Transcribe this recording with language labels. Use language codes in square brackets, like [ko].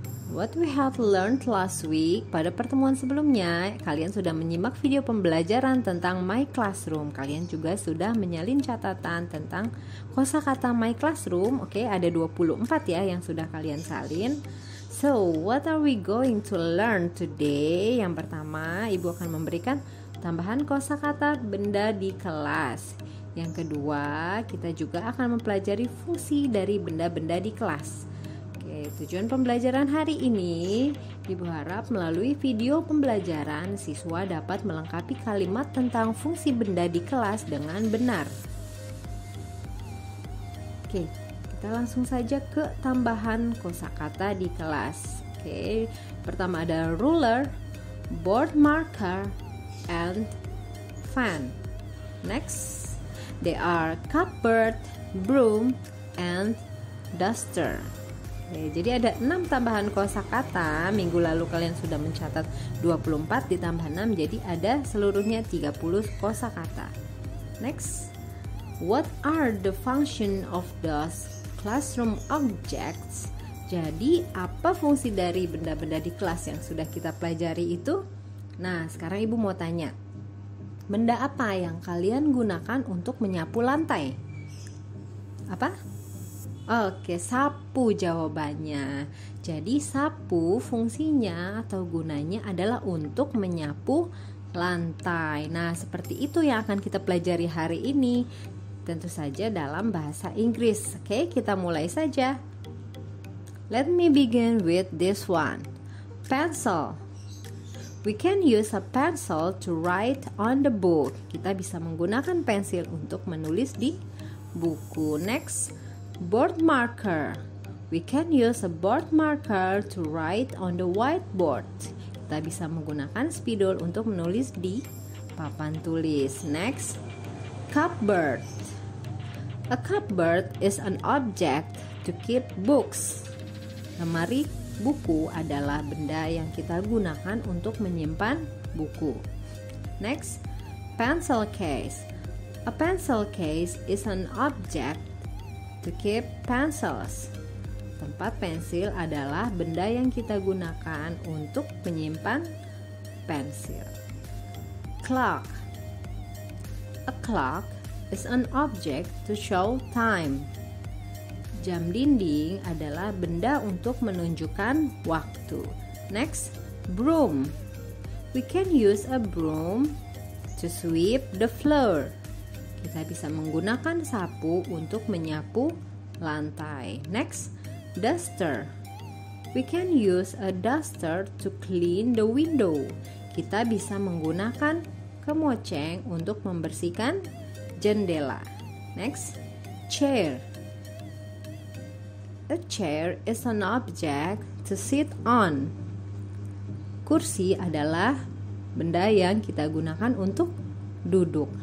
[en] What we have learned last week, [id] pada pertemuan sebelumnya, kalian sudah menyimak video pembelajaran tentang My Classroom. Kalian juga sudah menyalin catatan tentang kosakata My Classroom. Oke, ada 24 ya yang sudah kalian salin. [en] So, what are we going to learn today? [id] Yang pertama, ibu akan memberikan tambahan kosakata benda di kelas. Yang kedua, kita juga akan mempelajari fungsi dari benda-benda di kelas. Tujuan pembelajaran hari ini, ibu harap melalui video pembelajaran, siswa dapat melengkapi kalimat tentang fungsi benda di kelas dengan benar. Oke, kita langsung saja ke tambahan kosakata di kelas. [en] Oke, [id] pertama ada [en] ruler, board marker, and fan. Next, they are cupboard, broom, and duster. [id] Oke, jadi ada 6 tambahan kosakata. Minggu lalu kalian sudah mencatat 24 ditambah 6, jadi ada seluruhnya 30 kosakata. [en] Next, what are the function of those classroom objects? [id] Jadi apa fungsi dari benda-benda di kelas yang sudah kita pelajari itu? Nah, sekarang ibu mau tanya, benda apa yang kalian gunakan untuk menyapu lantai? Apa? Oke, sapu jawabannya. Jadi sapu fungsinya atau gunanya adalah untuk menyapu lantai. Nah, seperti itu yang akan kita pelajari hari ini. Tentu saja dalam bahasa Inggris. [en] Oke, [id] kita mulai saja. [en] Let me begin with this one. Pencil. We can use a pencil to write on the book. [id] Kita bisa menggunakan pensil untuk menulis di buku. [en] Next. Board marker. We can use a board marker to write on the whiteboard. [id] Kita bisa menggunakan spidol untuk menulis di papan tulis. [en] Next, cupboard. A cupboard is an object to keep books. [id] Lemari buku adalah benda yang kita gunakan untuk menyimpan buku. [en] Next, pencil case. A pencil case is an object to keep pencils. [id] Tempat pensil adalah benda yang kita gunakan untuk menyimpan pensil. [en] Clock. A clock is an object to show time. [id] Jam dinding adalah benda untuk menunjukkan waktu. [en] Next, broom. We can use a broom to sweep the floor. [id] Kita bisa menggunakan sapu untuk menyapu lantai. [en] Next, duster. We can use a duster to clean the window. [id] Kita bisa menggunakan kemoceng untuk membersihkan jendela. [en] Next, chair. A chair is an object to sit on. [id] Kursi adalah benda yang kita gunakan untuk duduk.